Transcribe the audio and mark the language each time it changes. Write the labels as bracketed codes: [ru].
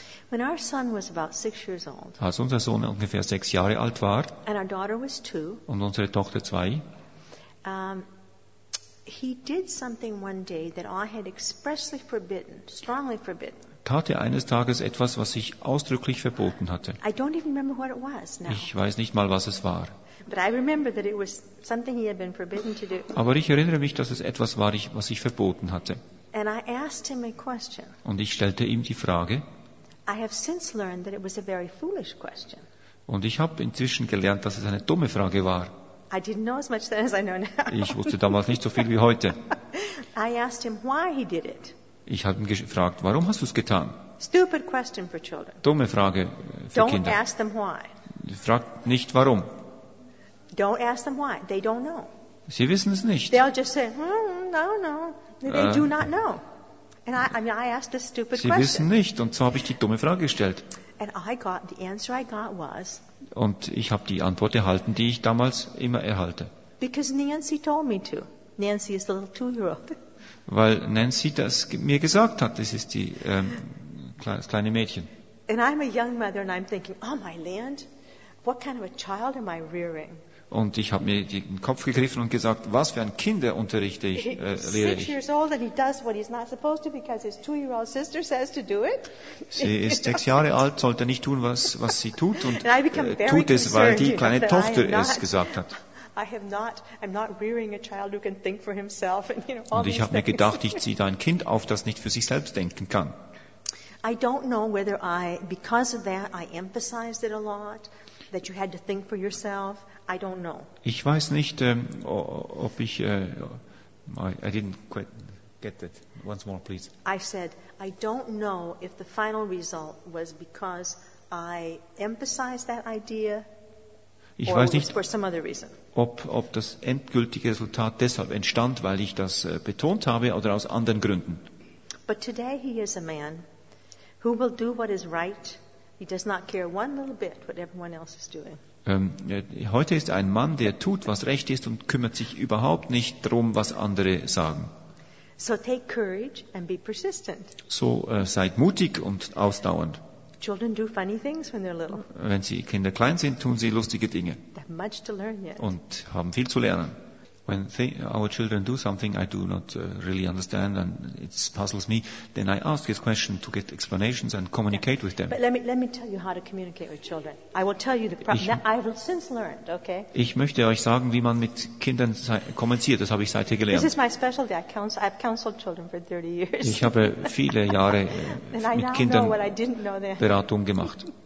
[en] When our son was about 6 years old, [de] als unser Sohn ungefähr 6 Jahre alt war [en] and our daughter was 2, [de] und unsere Tochter 2, [en] he did something one day that I had expressly forbidden, strongly forbidden. [de] Tat er eines Tages etwas, was ich ausdrücklich verboten hatte. [en] I don't even remember what it was now. [de] Ich weiß nicht mal, was es war. [en] But I remember that it was something he had been forbidden to do. [de] Aber ich erinnere mich, dass es etwas war, was ich verboten hatte. [en] And I asked him a question. [de] Und ich stellte ihm die Frage. [en] I have since learned that it was a very foolish question. [de] Und ich habe inzwischen gelernt, dass es eine dumme Frage war. [en] I didn't know as much then as I know now. [de] Ich wusste damals nicht so viel wie heute. [en] I asked him why he did it. [de] Ich habe ihn gefragt, warum hast du es getan? [en] Stupid question for children. [de] Dumme Frage für [en] don't [de] Kinder. [en] Don't ask them why. [de] Frag nicht warum. [en] Don't ask them why. They don't know. [de] Sie wissen es nicht. [en] They'll just say, I don't know. They do not know. And I asked a stupid question. [de] Sie wissen nicht. Und so habe ich die dumme Frage gestellt. [en] And I got the answer I got was. [de] Und ich habe die Antwort erhalten, die ich damals immer erhalte. [en] Because Nancy told me to. Nancy is the little 2-year-old. [de] Weil Nancy das mir gesagt hat. Das ist die das kleine Mädchen. [en] And I'm a young mother and I'm thinking, oh my land, what kind of a child am I rearing? [de] Und ich habe mir den Kopf gegriffen und gesagt, was für ein Kinder unterrichte ich, lehre ich. [en] 6 years old and he does what he's not supposed to because his 2-year-old sister says to do it. [de] Sie ist 6 Jahre alt, sollte nicht tun, was sie tut und tut es, weil die kleine Tochter es gesagt hat. [en] I'm not rearing a child who can think for himself and, you know, all [de] und ich habe mir gedacht, ich ziehe ein Kind auf, das nicht für sich selbst denken kann. [en] I don't know whether I, because of that, I emphasized it a lot, that you had to think for yourself. I don't know. [de] Ich weiß nicht, ob ich. [en] I didn't quite get it. Once more, please. I said, I don't know if the final result was because I emphasized that idea. [de] Ich weiß nicht, [en] for some other reason. [de] Ob das endgültige Resultat deshalb entstand, weil ich das betont habe, oder aus anderen Gründen. [en] But today he is a man who will do what is right. He does not care one little bit what everyone else is doing. [de] Heute ist ein Mann, der tut, was recht ist und kümmert sich überhaupt nicht darum, was andere sagen. [en] So take courage and be persistent. [de] So seid mutig und ausdauernd. [en] Children do funny things when they're little. [de] Wenn sie Kinder klein sind, tun sie lustige Dinge. [en] They have much to learn yet. [de] Und haben viel zu lernen. [en] When our children do something I do not really understand and it puzzles me, then I ask this question to get explanations and communicate with them. But let me tell you how to communicate with children. I will tell you the problem that I have since learned, okay? [de] Ich möchte euch sagen, wie man mit Kindern kommuniziert. Das habe ich seither gelernt. [en] This is my specialty. I've counseled children for 30 years. [de] Ich habe viele Jahre mit Kindern Beratung gemacht.